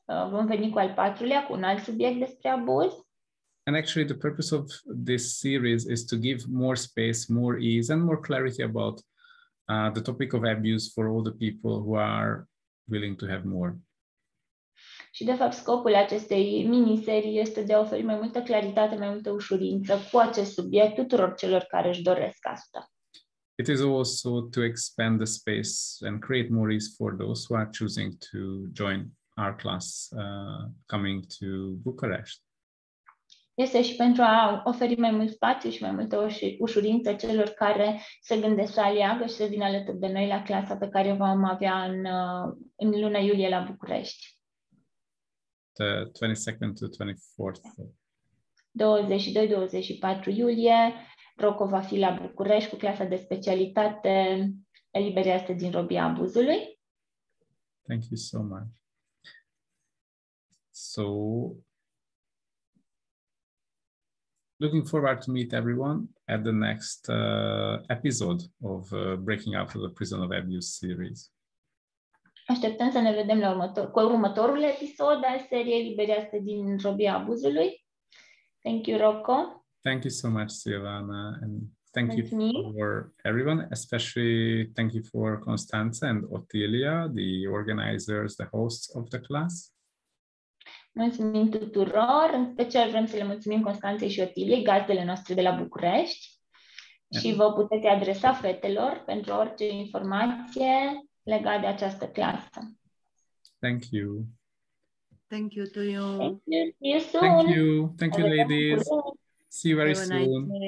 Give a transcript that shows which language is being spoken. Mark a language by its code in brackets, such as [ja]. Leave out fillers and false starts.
[ro] Vom veni cu al patrulea, cu un alt subiect despre abuz. [en] And actually the purpose of this series is to give more space, more ease and more clarity about the topic of abuse for all the people who are willing to have more. [ro] Și de fapt scopul acestei miniserii este de a oferi mai multă claritate, mai multă ușurință cu acest subiect tuturor celor care își doresc asta. [en] It is also to expand the space and create more ease for those who are choosing to join our class coming to Bucharest. [ro] Este și pentru a oferi mai mult spațiu și mai multă ușurință celor care se gândesc să aleagă și să vină alături de noi la clasa pe care vom avea în luna iulie la București. [en] The 22nd to 24th. [ro] 22-24 iulie, Rocco va fi la București cu clasa de specialitate Eliberează-te din Robia Abuzului. [en] Thank you so much. So, looking forward to meet everyone at the next episode of Breaking Out of the Prison of Abuse series. Așteptăm să ne vedem la următorul episod al seriei Eliberează-te din Robia Abuzului. Thank you, Rocco. Thank you so much, Silvana. And thank you for everyone, especially thank you for Constanța and Otilia, the organizers, the hosts of the class. [ro] Mulțumim tuturor. În special vrem să le mulțumim Constanței și Otiliei, gazdele noastre de la București. Și vă puteți adresa fetelor pentru orice informație legat de această clasă. [en] Thank you. Thank you to you. Thank you. Thank you. Thank you, ladies. See you very soon.